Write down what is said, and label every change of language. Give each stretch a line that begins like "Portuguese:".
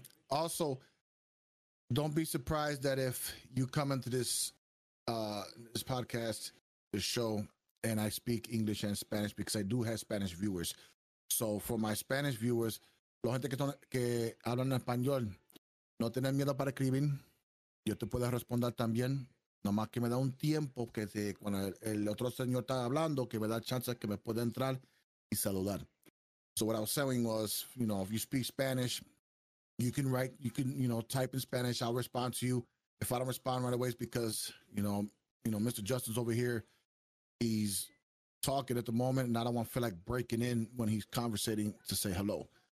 English: Also, don't be surprised that if you come into this podcast, this show, and I speak English and Spanish, because I do have Spanish viewers. So for my Spanish viewers,
Spanish: la gente que hablan español, no tener miedo para escribir. Yo te puedo responder también. Nomás que me da un tiempo que cuando el otro señor está hablando, que me da chance que me pueda entrar y saludar.
English: So what I was saying was, you know, if you speak Spanish, you can write, you can, you know, type in Spanish. I'll respond to you. If I don't respond right away, it's because, you know, Mr. Justin's over here. He's talking at the moment, and I don't want to feel like breaking in when he's conversating to say hello.